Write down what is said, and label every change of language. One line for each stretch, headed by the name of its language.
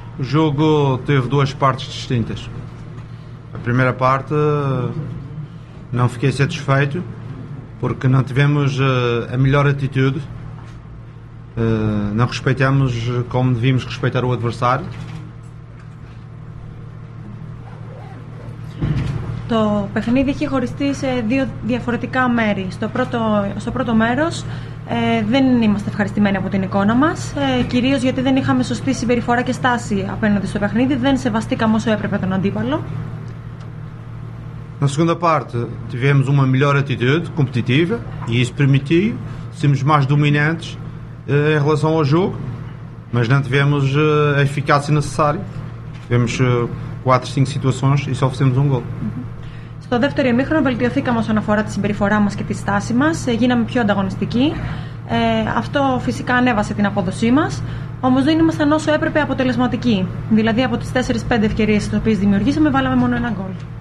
Portuguese: O jogo teve duas partes distintas. A primeira parte não fiquei satisfeito porque não tivemos a melhor atitude, não respeitamos como devíamos respeitar o adversário.
Greek: Το παιχνίδι είχε χωριστεί σε δύο διαφορετικά μέρη. Στο πρώτο μέρος δεν είμαστε ευχαριστημένοι από την εικόνα μας, κυρίως γιατί δεν είχαμε σωστή συμπεριφορά και στάση απέναντι στο παιχνίδι, δεν σεβαστήκαμε όσο έπρεπε τον αντίπαλο.
Portuguese: Na segunda parte tivemos uma melhor atitude competitiva e isso permitiu sermos mais dominantes em relação ao jogo, mas não tivemos a eficácia necessária. Tivemos 4-5 situações e só fizemos gol.
Greek: Στο δεύτερο ημίχρονο βελτιωθήκαμε όσον αφορά τη συμπεριφορά μας και τη στάση μας, γίναμε πιο ανταγωνιστικοί. Αυτό φυσικά ανέβασε την απόδοσή μας, όμως δεν ήμασταν όσο έπρεπε αποτελεσματικοί. Δηλαδή από τις 4-5 ευκαιρίες τις οποίες δημιουργήσαμε, βάλαμε μόνο ένα γκολ.